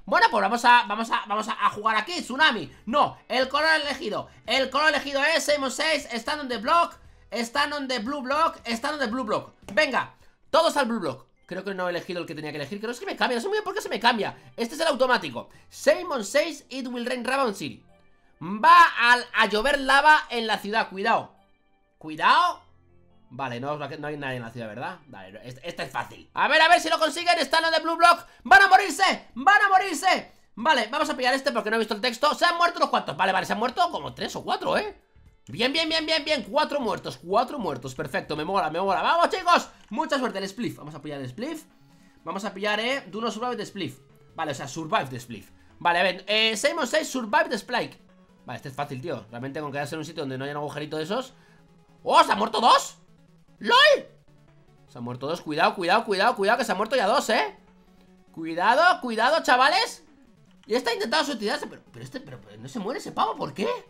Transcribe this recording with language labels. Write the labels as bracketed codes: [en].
[es] Bueno, pues vamos a jugar aquí, tsunami. No, el color elegido es [en] Simon Says, stand on the blue block. [es] Venga, todos al blue block. Creo que no he elegido el que tenía que elegir, creo que me cambia, no sé muy bien por qué se me cambia. Este es el automático. [en] Simon Says, it will rain lava on city. [es] Va a llover lava en la ciudad, cuidado. Cuidado. Vale, no hay nadie en la ciudad, ¿verdad? Vale, este es fácil. A ver si lo consiguen, están los de Blue Block. ¡Van a morirse! Vale, vamos a pillar este porque no he visto el texto. Se han muerto unos cuantos, vale, se han muerto como 3 o 4, Bien, 4 muertos, perfecto. Me mola, ¡vamos, chicos! Mucha suerte, el spliff, vamos a pillar el spliff. Vamos a pillar, [en] do not survive the spliff. [es] Vale, survive the spliff. Vale, a ver, [en] Simon says survive the spike. [es] Vale, este es fácil, tío, realmente con quedarse en un sitio donde no haya un agujerito de esos. ¡Oh, se han muerto dos! ¡LOL! Se han muerto dos, cuidado, que se han muerto ya dos, Cuidado, chavales. Y está intentando suicidarse, pero no se muere ese pavo, ¿por qué?